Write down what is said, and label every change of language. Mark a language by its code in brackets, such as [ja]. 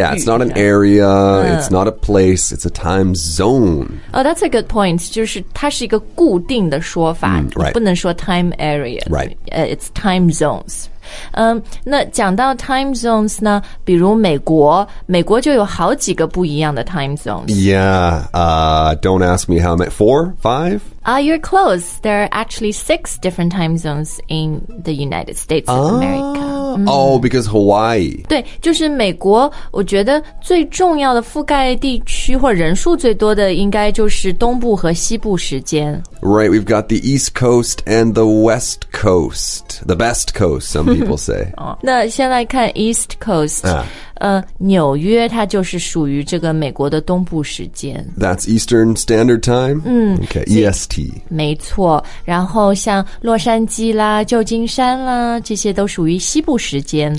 [en] Yeah, it's not an area, it's not a place, it's a time zone. Oh, that's a good point. [zh] 就是它是一个固定的说法。 [en] Right. [zh] 不能说 [en] time area. Right. It's time zones. [zh] 那讲到 time zones 呢，比如美国就有好几个不一样的 time zones. [en] Yeah, don't ask me how many. Four? Five? You're close. There are actually six different time zones in the United States of America. Because Hawaii. [zh] 对，就是美国，我觉得最重要的覆盖地区或人数最多的应该就是东部和西部时间。 [en] Right, we've got the East Coast and the West Coast. The best coast, some people say. [zh] 那先来看 East Coast. 纽约它就是属于这个美国的东部时间。 [en] That's Eastern Standard Time? Okay, EST. [zh] 没错，然后像洛杉矶啦，旧金山啦，这些都属于西部时间。